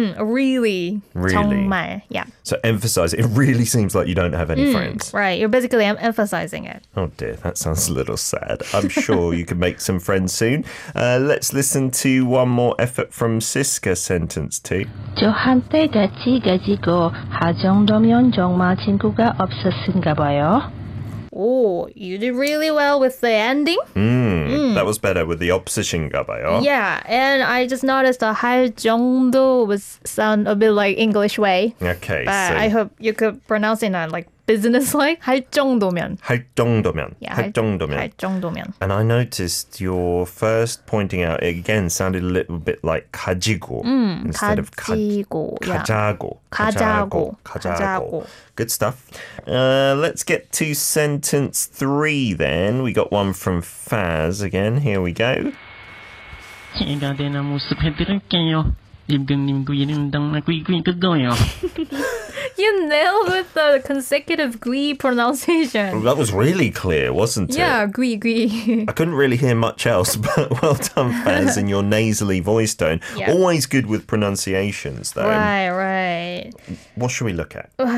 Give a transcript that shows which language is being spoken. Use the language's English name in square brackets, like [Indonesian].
[English] Really. Really. 정말. Yeah. So emphasize. It really seems like you don't have any friends. Right. You're basically emphasizing it. Oh, dear. That sounds a little sad. I'm sure you can make some friends soon. Let's listen to one more effort from Siska, sentence two. [Korean] 저한테 같이 가지고 할 정도면 정말 친구가 없었을까 봐요. [English] Oh, you did really well with the ending. That was better with the 없으신가봐요. Yeah, and I just noticed the [Korean] 할 정도 [English] was sound a bit like English way. Okay, but so I hope you could pronounce it in like business-like. [Korean] 할 정도면. 할 정도면. Yeah, 할 정도면. 할 정도면. [English] And I noticed your first pointing out, it again, sounded a little bit like 가지고 instead 가지고, of 가지고. [Korean] 가자고. 가자고. [English] 가자고. Good stuff. Let's get to sentence three then. We got one from Faz again. Here we go. [Korean] 제가 대나무숲 해드릴게요. 임금님귀는 당나귀귀 그거요. [English] You nailed with the consecutive gui pronunciation. That was really clear, wasn't it? Yeah, gui. I couldn't really hear much else, but well done, Faz, in your nasally voice tone. Yep. Always good with pronunciations, though. Right. What should we look at?